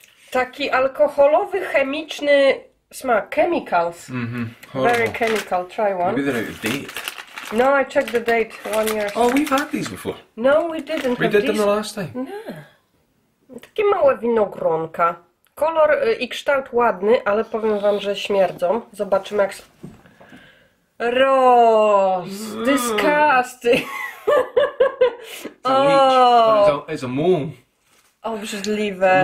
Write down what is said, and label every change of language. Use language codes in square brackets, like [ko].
[pl] Taki alkoholowy, chemiczny smak. [en] Chemicals. Mm-hmm. Very chemical. Try one. Maybe they're out of date. No, I checked the date 1 year ago. Oh, we've had these before. No, we didn't. We did them the last time. [pl] No. Takie małe winogronka. Kolor i kształt ładny, ale powiem wam, że śmierdzą. Zobaczymy jak... Roz! [en] Disgusting! It's a mole. [pl] Obrzydliwe.